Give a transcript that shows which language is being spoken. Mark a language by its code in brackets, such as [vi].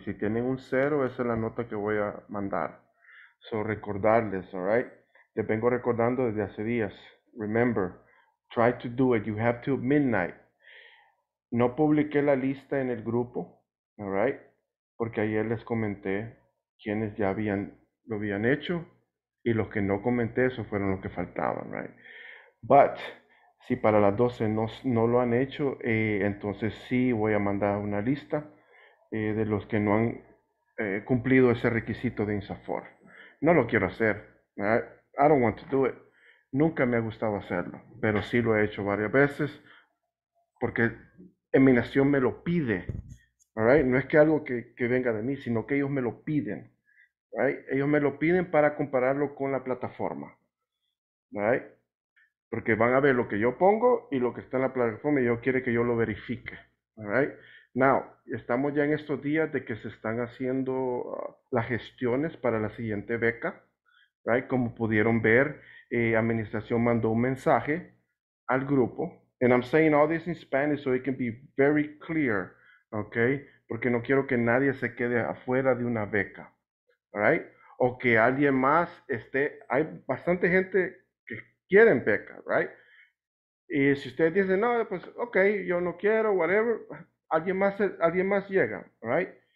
[es] Si tienen un cero, esa es la nota que voy a mandar. So recordarles, all right? Te vengo recordando desde hace días. [en] Remember, try to do it. You have to midnight. [es] No publiqué la lista en el grupo, all right? Porque ayer les comenté quienes ya habían lo habían hecho y los que no comenté, esos fueron los que faltaban, right? But si para las 12 no lo han hecho, entonces sí voy a mandar una lista de los que no han cumplido ese requisito de INSAFORP. No lo quiero hacer, right? [en] I don't want to do it. [es] Nunca me ha gustado hacerlo, pero sí lo he hecho varias veces porque en mi nación me lo pide. All right? No es que algo que venga de mí, sino que ellos me lo piden. Right? Ellos me lo piden para compararlo con la plataforma. Right? Porque van a ver lo que yo pongo y lo que está en la plataforma y ellos quieren que yo lo verifique. All right? [en] Now, [es] estamos ya en estos días de que se están haciendo las gestiones para la siguiente beca. Right? Como pudieron ver, administración mandó un mensaje al grupo. [en] And I'm saying all this in Spanish so it can be very clear, okay? [es] Porque no quiero que nadie se quede afuera de una beca, right? O que alguien más esté, hay bastante gente que quieren beca, right? Y si ustedes dicen, no, pues, okay, yo no quiero, [en] whatever, [es] alguien más llega, right?